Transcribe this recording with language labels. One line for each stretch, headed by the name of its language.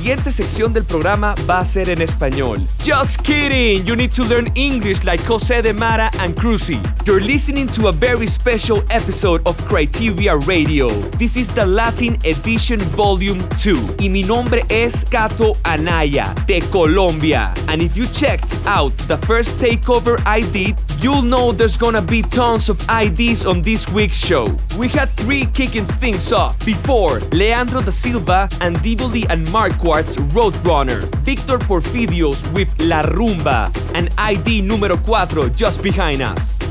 Spanish: Sección del programa va a ser en español.
English: Just kidding! You need to learn English like José de Mara and Cruzy. You're listening to a very special episode of Criteria Radio. This is the Latin Edition Volume 2.
Spanish: Y mi nombre es Cato Anaya, de Colombia.
English: And if you checked out the first takeover I did, you'll know there's gonna be tons of IDs on this week's show. We had three kicking things off before Leandro da Silva and Divoli and Marquardt's Roadrunner, Victor Porfidio's with La Rumba, and ID numero 4 just behind us.